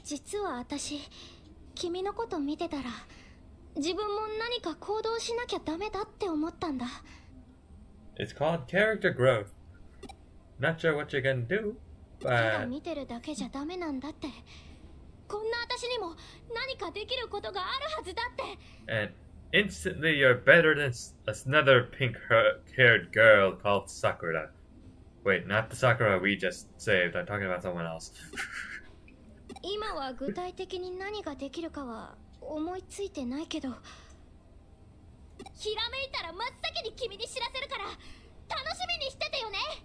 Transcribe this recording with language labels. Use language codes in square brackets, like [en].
[ja] 実は私、君のこと見てたら自分も何か行動しなきゃダメだって思ったんだ。 [en] It's called character growth. Not sure what you're gonna do, but. [ja] ただ見てるだけじゃダメなんだって。こんな私にも何かできることがあるはずだって。 [en] And instantly you're better than another pink-haired girl called Sakura. Wait, not the Sakura we just saved. I'm talking about someone else. [ja] 今は具体的に何ができるかは思いついてないけど。ひらめいたら真っ先に君に知らせるから楽しみにしててよね。